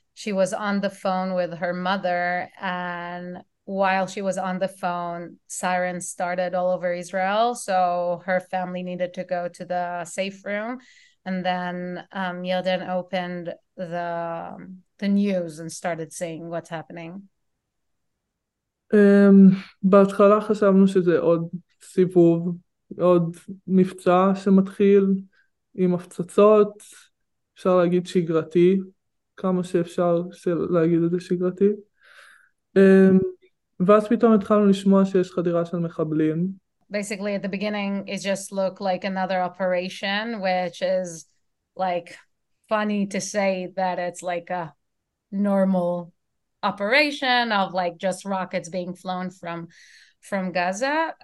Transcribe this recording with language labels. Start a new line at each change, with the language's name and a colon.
English: She was on the phone with her mother. And while she was on the phone, sirens started all over Israel. So her family needed to go to the safe room. And then Yarden opened the news and started saying what's happening.
Hebrew: בהתחלה חשבנו שזה עוד סיבוב, עוד מבצע שמתחיל עם הפצצות, אפשר להגיד שגרתי, כמה שאפשר להגיד את זה שגרתי. ואז פתאום התחלנו לשמוע שיש חדירה של מחבלים.
English: Basically, at the beginning, it just looked like another operation, which is like funny to say that it's like a normal operation of like just rockets being flown from Gaza.